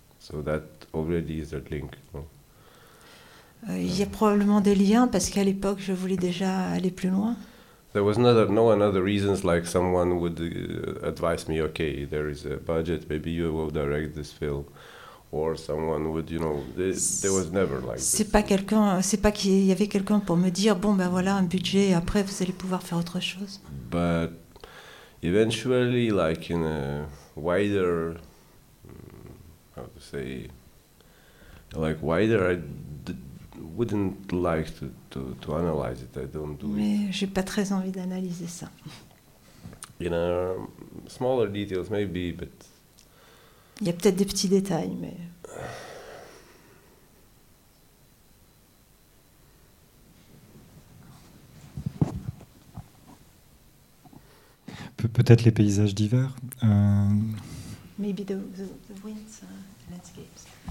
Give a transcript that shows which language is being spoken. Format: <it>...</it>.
<en>So that already is a link.</en> <fr>Il y a probablement des liens parce qu'à l'époque je voulais déjà aller plus loin.</fr> <en>There was no another reasons like someone would advise me, okay, there is a budget, maybe you will direct this film, or someone would, you know, there was never like.</en> <fr>C'est pas quelqu'un, c'est pas qu'il y avait quelqu'un pour me dire bon ben voilà un budget et après vous allez pouvoir faire autre chose.</fr> <en>But eventually, like in a wider, how to say, like wider, I wouldn't like to analyze it. I don't do.</en> <fr>Mais j'ai pas très envie d'analyser ça.</fr> <en>In a smaller details, maybe, but.</en> <fr>Il y a peut-être des petits détails, mais. Peut-être les paysages d'hiver.</fr> <en>Maybe the winds, landscapes.</en>